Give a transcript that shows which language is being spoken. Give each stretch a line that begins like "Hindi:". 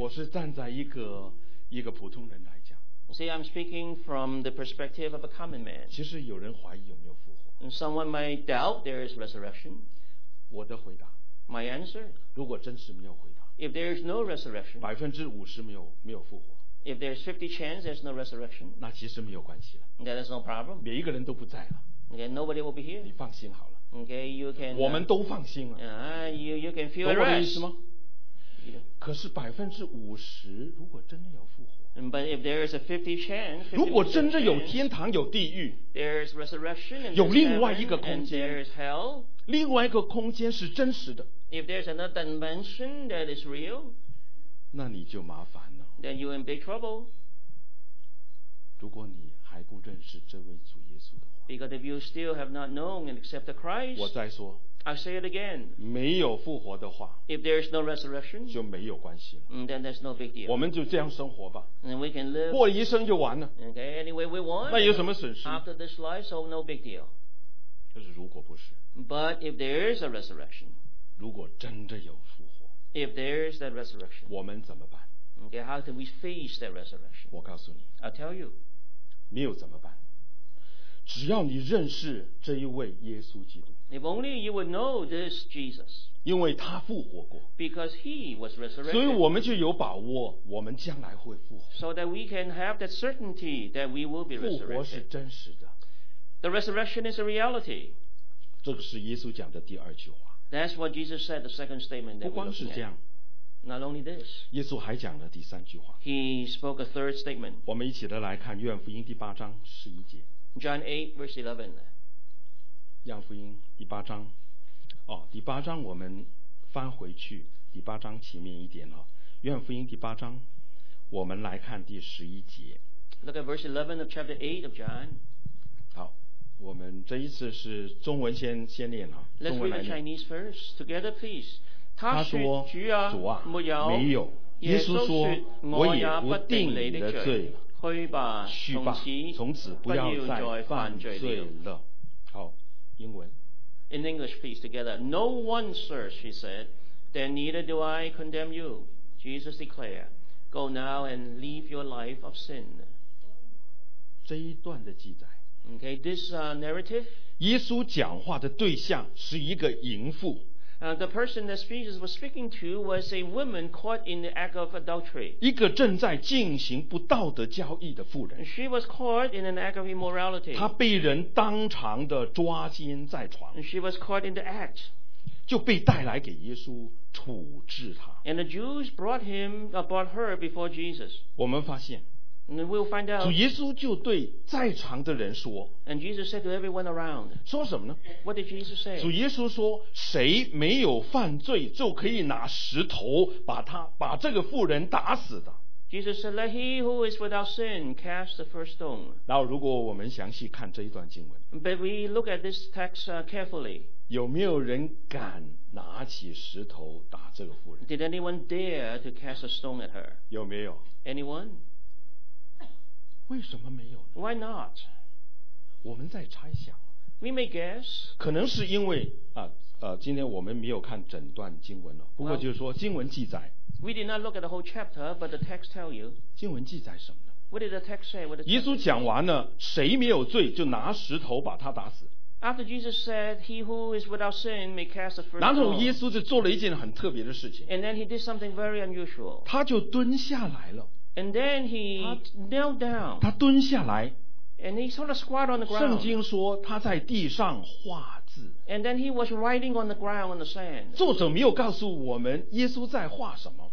Chinese: 我是站在一个普通人来讲，
English: See, I'm speaking from the perspective of a common man.
Chinese: 其实有人怀疑有没有复活。
English: And someone might doubt there is resurrection.
Chinese: 我的回答。
English: My answer.
Chinese: 如果真是没有回答。
English: If there is no resurrection.
Chinese: 50%没有复活。
English: If there's 50 chance there's no resurrection.
Chinese: 那其实没有关系了。
English: That is no problem.
Chinese: 每一个人都不在了。
English: Okay, nobody will be here.
Chinese: 你放心好了。
English: Okay, you can.
Chinese: 我们都放心了。
English: You can feel at rest.
Chinese: 懂我的意思吗？可是50%如果真的有复活。
English: But if there is a 50 chance,
Chinese: 如果真的有天堂有地狱
English: there is resurrection and
Chinese: 有另外一个空间
English: and there is hell,
Chinese: 另外一个空间是真实的
English: if there is another dimension that is real,
Chinese: 那你就麻烦了
English: then you're in big trouble
Chinese: 如果你还不认识这位主耶稣的话
English: because if you still have not known and accept the Christ
Chinese: 我再说
English: I say it again
Chinese: 没有复活的话
English: if there is no resurrection
Chinese: 就没有关系了
English: then there's no big deal
Chinese: 我们就这样生活吧
English: and we can live
Chinese: 过一生就完了
English: okay, anyway we want
Chinese: 那有什么损失
English: after this life so no big deal
Chinese: 就是如果不是
English: but if there is a resurrection
Chinese: 如果真的有复活
English: if there is that resurrection
Chinese: 我们怎么办
English: okay, how do we face that resurrection
Chinese: 我告诉你
English: I'll tell you
Chinese: 没有怎么办只要你认识这一位耶稣基督
English: If only you would know this Jesus
Chinese: 因为他复活过
English: Because he was resurrected
Chinese: 所以我们就有把握我们将来会复活
English: So that we can have that certainty that we will be resurrected
Chinese: 复活是真实的
English: The resurrection is a reality
Chinese: 这个是耶稣讲的第二句话
English: That's what Jesus said the second statement that
Chinese: 不光是这样
English: Not only this
Chinese: 耶稣还讲了第三句话
English: He spoke a third statement
Chinese: 我们一起的来看约翰福音第八章十一节
English: John 8 verse 11
Chinese: 约翰福音第八章、哦、第八章我们翻回去第八章前面一点、哦、约翰福音第八章我们来看第十一节
English: Look at verse 11 of chapter 8 of John
Chinese: 好我们这一次是中文 先念、哦、
English: Let's read the Chinese first Together please
Chinese: 他说主啊没有耶稣说我也不定你的罪了去吧从此不要再犯罪了好英文
English: In English please together No one sir she said Then neither do I condemn you Jesus declared Go now and leave your life of sin
Chinese: 这一段的记载
English: Okay this narrative
Chinese: 耶稣讲话的对象是一个淫妇
English: The person that Jesus was speaking to was a woman caught in the act of adultery.
Chinese: 一个正在进行不道德交易的妇人。
English: She was caught in an act of immorality.
Chinese: 她被人当场的抓奸在床。
English: She was caught in the act.
Chinese: 就被带来给耶稣处置她。
English: And the Jews brought her before Jesus.
Chinese: 我们发现。
English: And we'll find out.
Chinese: 主耶稣就对在场的人说
English: And Jesus said to everyone around.
Chinese: 说什么呢
English: What did Jesus say?
Chinese: 主耶稣说谁没有犯罪就可以拿石头把这个妇人打死的
English: Jesus said let he who is without sin cast the first stone.
Chinese: 然后如果我们详细看这一段经文
English: But we look at this text carefully.
Chinese: 有没有人敢拿起石头打这个妇人
English: Did anyone dare to cast a stone at her?
Chinese: 有没有
English: Anyone?
Chinese: 为什么没有呢
English: Why not?
Chinese: 我们在猜想
English: We may guess
Chinese: 可能是因为、今天我们没有看整段经文了不过就是说经文记载
English: We did not look at the whole chapter but the text tell you
Chinese: 经文记载什么呢
English: What did the text say?
Chinese: 耶稣讲完了谁没有罪就拿石头把他打死
English: After Jesus said he who is without sin may cast the first
Chinese: stone 然后耶稣就做了一件很特别的事情
English: And then he did something very unusual
Chinese: 他就蹲下来了
English: And then he knelt down.
Chinese: 他蹲下来。
English: And he sort of squat on the ground.
Chinese: 圣经说他在地上画字。
English: And then he was writing on the ground on the sand.
Chinese: 作者没有告诉我们耶稣在画什么。